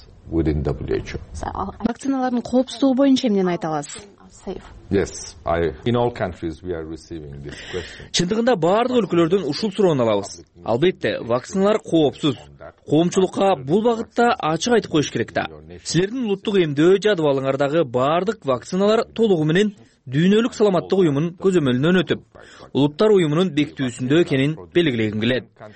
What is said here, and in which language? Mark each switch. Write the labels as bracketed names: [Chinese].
[Kyrgyz] Вакциналардын коопсуздугу боюнча эмнени айта аласыз? [English] In all countries we are receiving this question. [Kyrgyz] Чындыгында баардык өлкөлөрдөн ушул суроону алабыз. Албетте, вакциналар коопсуз. Коомчулукка бул багытта ачык айтып коюш керек да. Силердин улуттук эмдөө жадваалыңардагы баардык вакциналар толугу менен дүйнөлүк саламаттык уюмунун көзөмөлүнөн өтүп, улуттар уюмунун бекитүүсүндө экенин белгилегим келет.